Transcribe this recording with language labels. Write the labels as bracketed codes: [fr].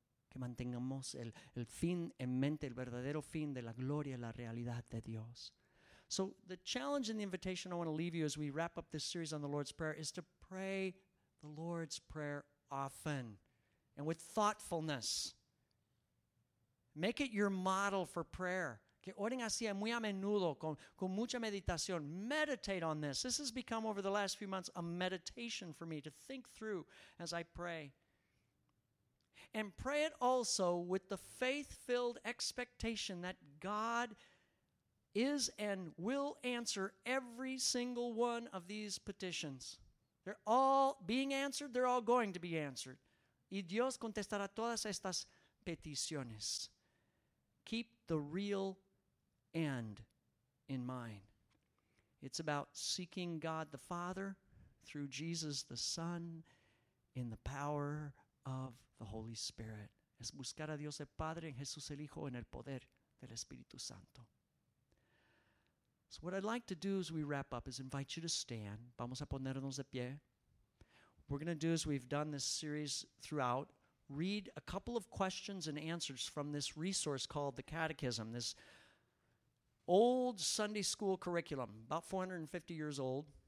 [es] Que mantengamos el fin en mente, el verdadero fin de la gloria, la realidad de Dios. [en] So the challenge and the invitation I want to leave you as we wrap up this series on the Lord's Prayer is to pray the Lord's Prayer often and with thoughtfulness. Make it your model for prayer. [es] Que oren así muy a menudo, con mucha meditación. [en] Meditate on this. This has become, over the last few months, a meditation for me to think through as I pray. And pray it also with the faith-filled expectation that God is and will answer every single one of these petitions. They're all being answered. They're all going to be answered. [es] Y Dios contestará todas estas peticiones. [en] Keep the real end in mind. It's about seeking God the Father through Jesus the Son in the power of the Holy Spirit. [es] Es buscar a Dios el Padre en Jesús el Hijo en el poder del Espíritu Santo. [en] So what I'd like to do as we wrap up is invite you to stand. [es] Vamos a ponernos de pie. [en] We're going to do, as we've done this series throughout, read a couple of questions and answers from this resource called the Catechism, this old Sunday school curriculum, about 450 years old.